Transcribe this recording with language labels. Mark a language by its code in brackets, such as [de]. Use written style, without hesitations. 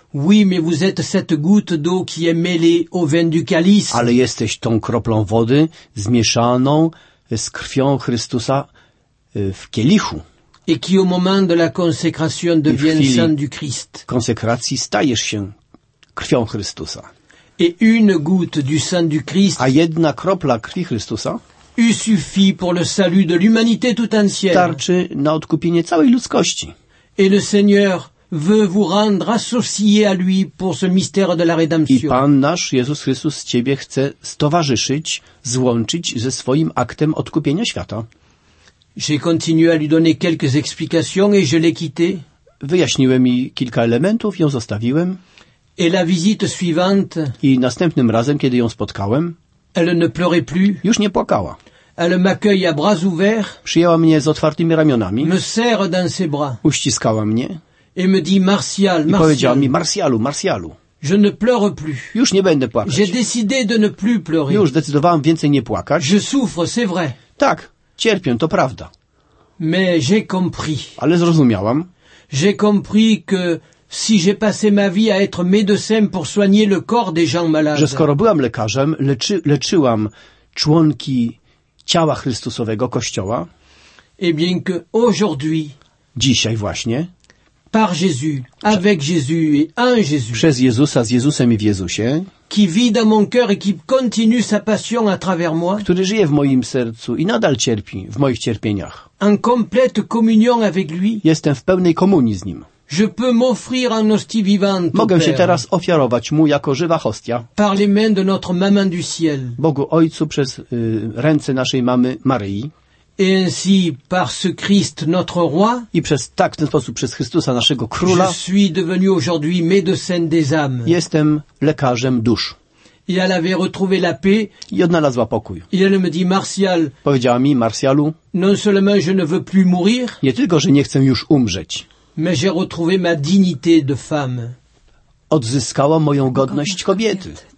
[fr] Oui, mais vous êtes cette goutte d'eau qui est mêlée au vin du calice. [pl] Ale jesteś tą kroplą wody zmieszaną z krwią Chrystusa w kielichu. [fr] Et qui au moment de la consécration devient sang du Christ. [pl] Konsekracji stajesz się krwią Chrystusa. [fr] Et une goutte du sang du Christ. [pl] A jedna kropla krwi Chrystusa. [fr] Eût suffi pour le salut de l'humanité tout entière. [pl] Starczy na odkupienie całej ludzkości. [fr] Et le Seigneur veut vous rendre associé à lui pour ce mystère de la rédemption. [pl] I Pan nasz Jezus Chrystus ciebie chce stowarzyszyć, złączyć ze swoim aktem odkupienia świata. [fr] J'ai continué à lui donner quelques explications et je l'ai quitté. [pl] Wyjaśniłem mi kilka elementów i ją zostawiłem. [fr] Et la visite suivante. [pl] I następnym razem, kiedy ją spotkałem. [fr] Elle ne pleurait plus. [pl] Już nie płakała. [fr] Elle m'accueille à bras ouverts. [pl] Przyjęła mnie z otwartymi ramionami. [fr] Me serre dans ses bras. [pl] Uściskała mnie. [fr] Et me dit Martial, Martial. [pl] I powiedziała mi Martialu, Martialu. [fr] Je ne pleure plus. [pl] Już nie będę płakać. [fr] J'ai décidé de ne plus pleurer. [pl] Już zdecydowałem więcej nie płakać. [fr] Je souffre, c'est vrai. [pl] Tak. Cierpię, to prawda. [fr] Mais j'ai compris. [pl] Ale zrozumiałam. [fr] J'ai compris que si j'ai passé ma vie à être médecin pour soigner le corps des gens malades. [pl] Że skoro byłam lekarzem, leczyłam członki ciała Chrystusowego Kościoła. [fr] Et bien que aujourd'hui. [pl] Dzisiaj właśnie. [fr] Par Jésus, avec Jésus et en Jésus. [pl] Przez Jezusa, z Jezusem i w Jezusie. [fr] Qui vit dans mon cœur et qui continue sa passion à travers moi. [pl] Który żyje w moim sercu i nadal cierpi w moich cierpieniach. [fr] En complète communion avec lui. [pl] Jestem w pełnej komunii z nim. [fr] Je peux m'offrir en hostie vivante. [pl] Mogę się teraz ofiarować mu jako żywa hostia. [fr] Par les mains de notre maman du ciel. [pl] Bogu Ojcu przez ręce naszej mamy Maryi. [fr] Et ainsi par ce Christ notre roi. [pl] I przez tak w ten sposób przez Chrystusa naszego króla. [fr] Je suis devenu aujourd'hui médecin des âmes. [pl] Jestem lekarzem dusz. [fr] I elle avait retrouvé la paix. [pl] I odnalazła pokój. [fr] Et elle me dit Martial. [pl] Powiedziała mi Martialu. [fr] Non seulement je ne veux plus mourir. [pl] Nie tylko że nie chcę już umrzeć. [fr] Mais j'ai retrouvé ma dignité de femme. [pl] Odzyskałam moją godność kobiety.